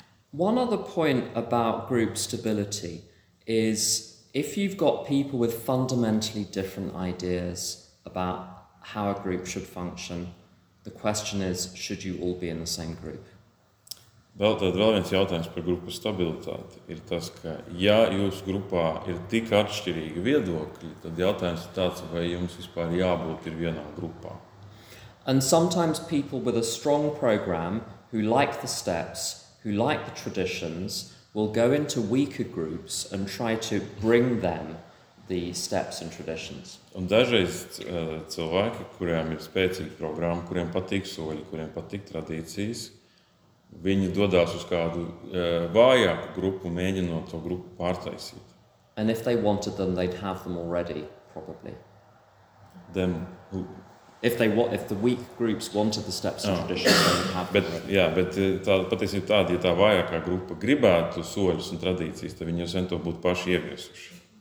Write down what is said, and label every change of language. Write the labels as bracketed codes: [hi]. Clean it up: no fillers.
[en] One other point about group stability is if you've got people with fundamentally different ideas about how a group should function, the question is, should you all be in the same group? [lv] Vēl tad vēl viens jautājums par grupu stabilitāti ir tas, ka ja jūsu grupā ir tik atšķirīgi viedokļi, tad jautājums ir tāds, vai jums vispār jābūt ir vienā grupā. [en] And sometimes people with a strong program, who like the steps, who like the traditions, will go into weaker groups and try to bring them the steps and traditions. [lv] Un dažreiz cilvēki, kuriem ir spēcīga programma, kuriem patīk soļi, kuriem patīk tradīcijas, viņi dodās uz kādu vājāku grupu, mēģinot to grupu pārtaisīt. [en] And if they wanted them, they'd have them already, probably. Them who? If the weak groups wanted the steps and traditions, they'd have them. [lv] Bet, jā, bet tā, patiesība tāda, ja tā vājākā grupa gribētu soļus un tradīcijas, tad viņi jau sen to būtu paši ieviesuši.